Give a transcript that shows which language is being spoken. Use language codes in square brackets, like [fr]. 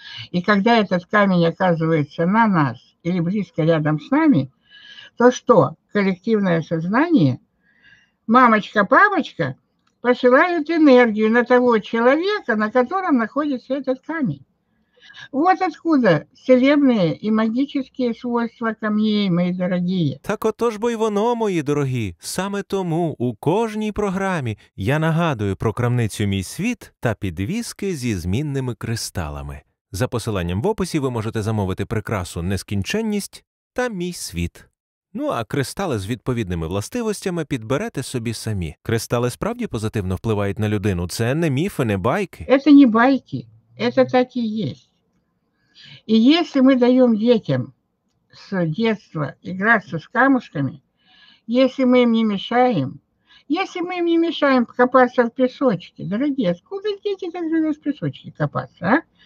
[ru] И когда этот камень оказывается на нас или близко рядом с нами, то что? Коллективное сознание, мамочка, папочка посылают энергию на того человека, на котором находится этот камень. Вот откуда целебные и магические свойства камней, [uk] мої дорогі. Так отож бо й воно, мої дорогі. Саме тому у кожній програмі я нагадую про крамницю «Мій світ» та підвіски зі змінними кристалами. За посиланням в описі ви можете замовити прикрасу «Нескінченність» та «Мій світ». Ну, а кристали з відповідними властивостями підберете собі самі. Кристали справді позитивно впливають на людину. Це не міфи, не байки. Це не байки. [ru] Это так и есть. И если мы даем детям с детства играться с камушками, если мы им не мешаем, если мы им не мешаем копаться в песочке, дорогие, откуда дети так живут в песочке копаться, а?